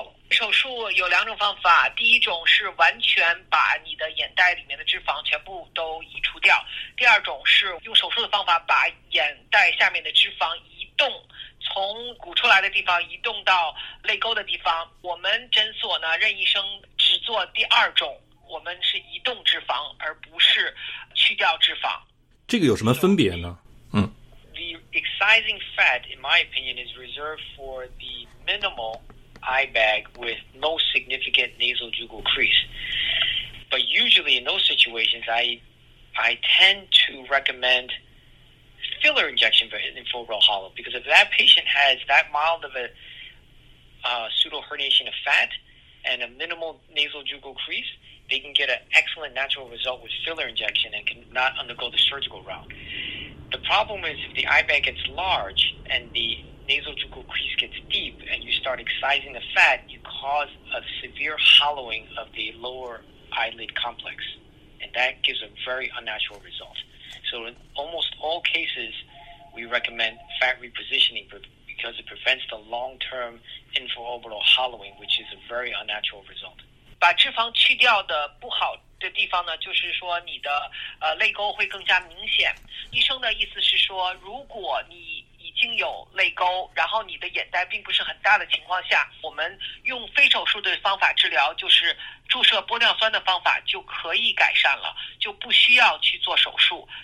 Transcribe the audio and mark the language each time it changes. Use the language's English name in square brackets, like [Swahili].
[Chinese] 手术有两种方法，第一种是完全把你的眼袋里面的脂肪全部都移除掉，第二种是用手术的方法把眼袋下面的脂肪移动，从鼓出来的地方移动到泪沟的地方。我们诊所呢，任医生只做第二种，我们是移动脂肪而不是去掉脂肪。这个有什么分别呢？ [English] The excising fat, in my opinion, is reserved for the minimal eye bag with no significant nasal jugal crease. But usually in those situations, I tend to recommend filler injection for infraorbital hollow, because if that patient has that mild of a pseudo herniation of fat and a minimal nasal jugal crease, they can get an excellent natural result with filler injection and cannot undergo the surgical route. The problem is if the eye bag gets large and the nasal jugal crease gets deep and you start excising the fat, you cause a severe hollowing of the lower eyelid complex. And that gives a very unnatural result. So in almost all cases, we recommend fat repositioning because it prevents the long-term infraorbital hollowing, which is a very unnatural result. [Chinese] 把脂肪去掉的不好的地方呢，就是说你的泪沟会更加明显。医生的意思是说，如果你已经有泪沟，然后你的眼袋并不是很大的情况下，我们用非手术的方法治疗，就是注射玻尿酸的方法就可以改善了，就不需要去做手术。